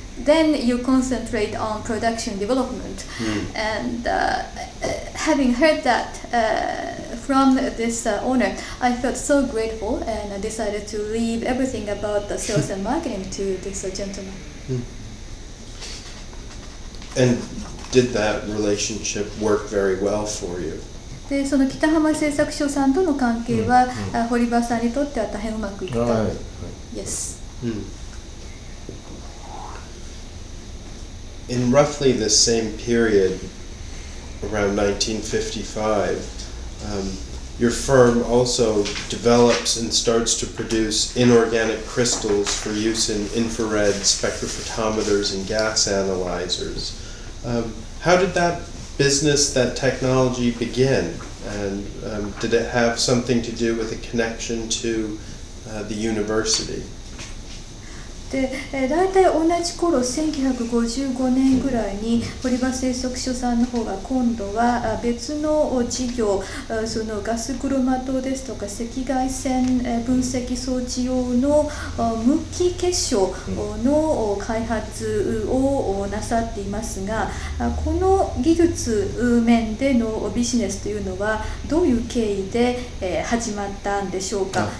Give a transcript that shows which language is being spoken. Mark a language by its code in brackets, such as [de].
[en] Then you concentrate on production development. And having heard that from this owner, I felt so grateful and I decided to leave everything about the sales and marketing to this gentleman. And did that relationship work very well for you? [ja] で、その北浜製作所さんとの関係は、堀場さんにとっては大変うまくいった。はい。 [en] Yes. In roughly the same period, around 1955, your firm also develops and starts to produce inorganic crystals for use in infrared spectrophotometers and gas analyzers. How did that business, that technology begin? And did it have something to do with a connection to the university? [ja] で、大体同じ頃1955年ぐらいに堀場製作所さんの方が今度は別の事業、そのガスクロマトですとか赤外線分析装置用の無機結晶の開発をなさっていますが、この技術面でのビジネスというのはどういう経緯で始まったんでしょうか。